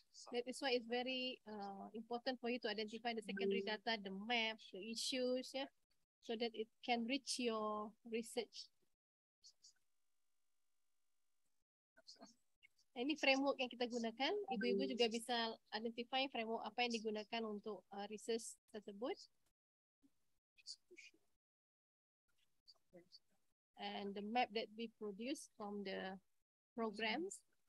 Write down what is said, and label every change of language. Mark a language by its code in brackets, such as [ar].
[en] That is why it's very important for you to identify the secondary data, the map, the issues, yeah, so that it can reach your research. [id] Ini framework yang kita gunakan. Ibu-ibu juga bisa identify framework apa yang digunakan untuk research tersebut. [en] And the map that we produce from the programs.